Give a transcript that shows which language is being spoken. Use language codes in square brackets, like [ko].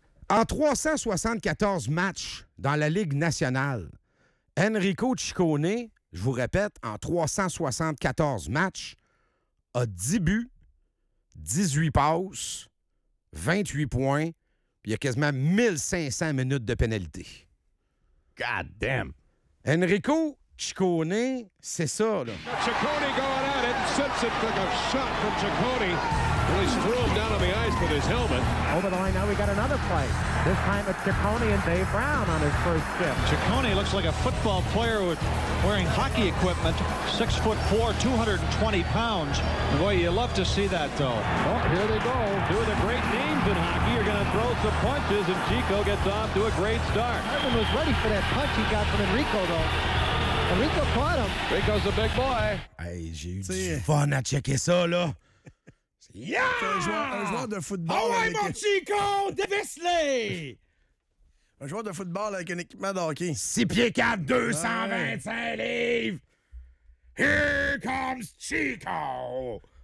[fr] En 374 matchs dans la Ligue nationale, Enrico Ciccone, je vous répète, en 374 matchs, a 10 buts, 18 passes, 28 points, puis il y a quasiment 1500 minutes de pénalité. [en] God damn! [fr] Enrico Ciccone, c'est ça, là. [en] Ciccone going at it, sets it for the shot from Ciccone. Well, he's thrown down on the ice with his helmet. Over the line now, we got another play. This time it's Ciccone and Dave Brown on his first shift. Ciccone looks like a football player with wearing hockey equipment. 6'4", 220 pounds. Boy, you love to see that, though. Oh, here they go. Two of the great names in hockey are going to throw some punches, and Chico gets off to a great start. Everyone was ready for that punch he got from Enrico, though. Rico caught him. Rico's the big boy. [fr] Hey, j'ai eu du fun à checker ça, là. [en] Yeah! [fr] Un joueur de football. Oh, avec... mon Chico! Dévisse-le! Un joueur de football avec un équipement d'hockey. 6 pieds 4, 225 livres. [en] Here comes Chico!